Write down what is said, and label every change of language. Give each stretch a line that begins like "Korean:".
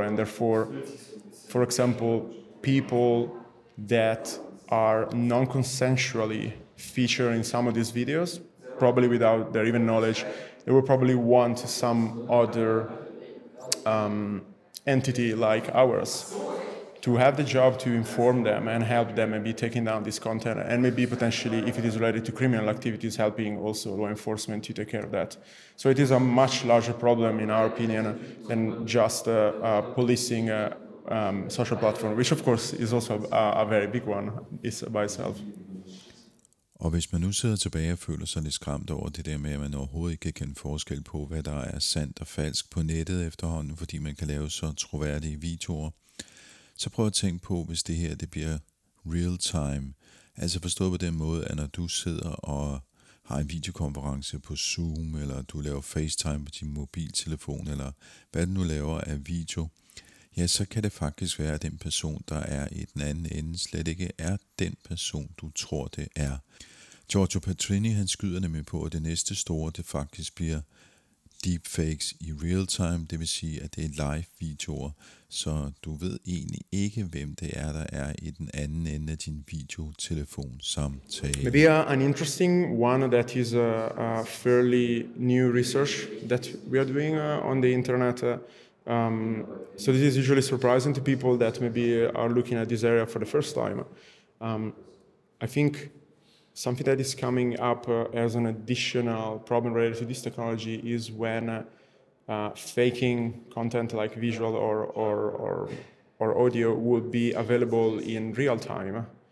English: And therefore, for example, people that are non-consensually featured in some of these videos, probably without their even knowledge, they will probably want some other entity like ours to have the job to inform them and help them and be taking down this content, and maybe potentially, if it is related to criminal activities, helping also law enforcement to take care of that. So it is a much larger problem, in our opinion, than just policing a social platform, which of course is also a very big one by itself.
Danish: Og hvis man nu sidder tilbage og føler sig lidt skræmt over det der med, at man overhovedet ikke kan kende forskel på, hvad der er sandt og falsk på nettet efterhånden, fordi man kan lave så troværdige videoer, så prøv at tænke på, hvis det her det bliver real time. Altså forstået på den måde, at når du sidder og har en videokonference på Zoom, eller du laver FaceTime på din mobiltelefon, eller hvad du nu laver af video, ja, så kan det faktisk være, at den person, der er i den anden ende, slet ikke er den person, du tror, det er. Giorgio Patrini, han skyder nemlig på, at det næste store, det faktisk bliver deepfakes i real time, det vil sige, at det er live videoer, så du ved egentlig ikke, hvem det er, der er i den anden ende af din videotelefon samtale.
English: Maybe an interesting one that is a fairly new research that we are doing on the internet. So this is usually surprising to people that maybe are looking at this area for the first time. I think something that is coming up as an additional problem related to this technology is when faking content like visual or audio will be available in real time.